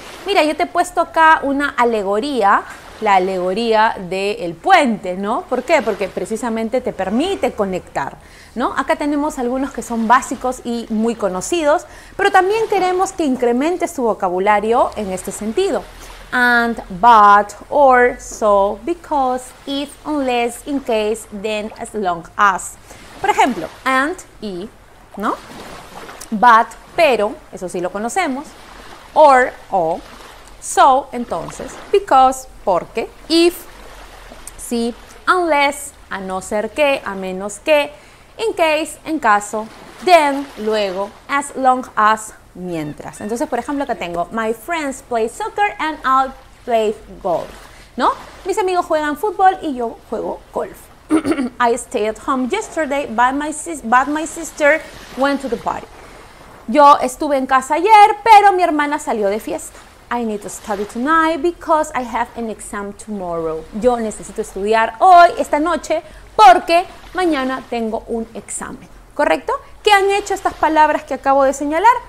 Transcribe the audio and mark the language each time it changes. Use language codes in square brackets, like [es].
[es] Mira, yo te he puesto acá una alegoría, la alegoría del puente, ¿no? ¿Por qué? Porque precisamente te permite conectar, ¿no? Acá tenemos algunos que son básicos y muy conocidos, pero también queremos que incrementes tu vocabulario en este sentido. [en] And, but, or, so, because, if, unless, in case, then, as long as. [es] Por ejemplo, and, y, ¿no? But, pero, eso sí lo conocemos. Or, o. So, entonces, because, porque, if, si, unless, a no ser que, a menos que, in case, en caso, then, luego, as long as, mientras. Entonces, por ejemplo, acá tengo, [en] my friends play soccer and I'll play golf, ¿no? [es] Mis amigos juegan fútbol y yo juego golf. [en] I stayed at home yesterday, but my sister went to the party. [es] Yo estuve en casa ayer, pero mi hermana salió de fiesta. [en] I need to study tonight because I have an exam tomorrow. [es] Yo necesito estudiar hoy, esta noche, porque mañana tengo un examen. ¿Correcto? ¿Qué han hecho estas palabras que acabo de señalar?